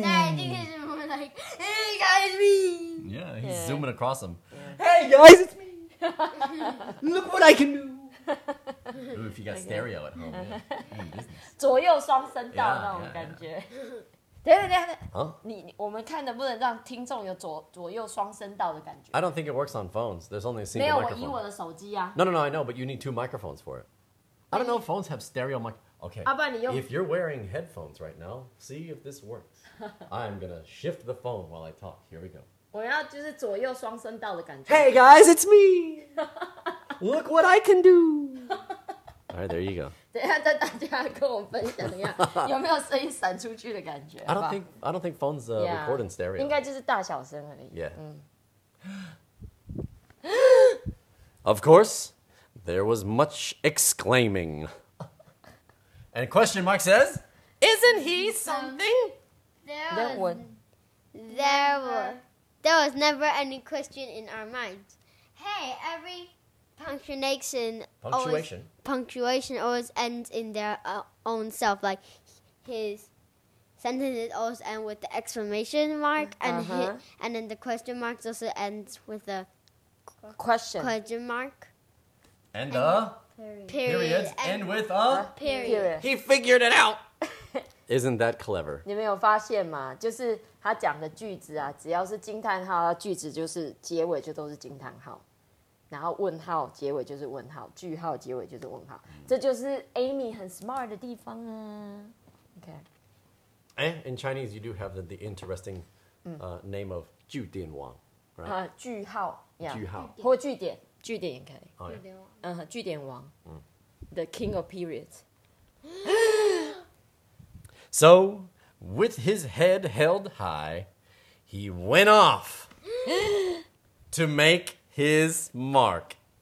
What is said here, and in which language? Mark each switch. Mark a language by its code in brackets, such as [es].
[en] Yeah, I think he's more like, hey, guys, me! Yeah, he's zooming across them. Yeah. Hey, guys, it's me! Look what I can do! Ooh, if you got stereo at home, yeah. [zh] 左右双声道那种感觉。等等，我们看能不能让听众有左右双声道的感觉。 [en] I don't think it works on phones. There's only a single microphone. [zh] 没有，我以我的手机啊。 [en] No, I know, but you need two microphones for it. I don't know if phones have stereo mic. Okay. [zh] 啊，不然你用。 [en] If you're wearing headphones right now, see if this works. I'm gonna shift the phone while I talk. Here we go. [zh] 我要就是左右双声道的感觉。 [en] Hey guys, it's me. Look what I can do. All right, there you go. [zh] 等一下，在大家跟我分享一下，有没有声音闪出去的感觉？ [en] I don't think phones record in stereo. [zh] 应该就是大小声而已。 [en] Yeah. Of course, there was much exclaiming. And question mark says, isn't he something? There was never any question in our minds. Hey, every punctuation always ends in their own self. Like, his sentences always end with the exclamation mark, and and then the question mark also ends with a question mark. And the periods end with a period. He figured it out. Isn't that clever? [zh] 你没有发现吗？就是他讲的句子啊，只要是惊叹号，句子就是结尾就都是惊叹号，然后问号结尾就是问号，句号结尾就是问号。这就是 Amy 很 smart 的地方啊。 [en] Okay. And in Chinese, you do have the interesting name of 句点王 right? [zh] 句号 yeah, 句号或句点。句点也可以。句点王。 [en] 句点王。The king of periods. So, with his head held high, he went off to make his mark.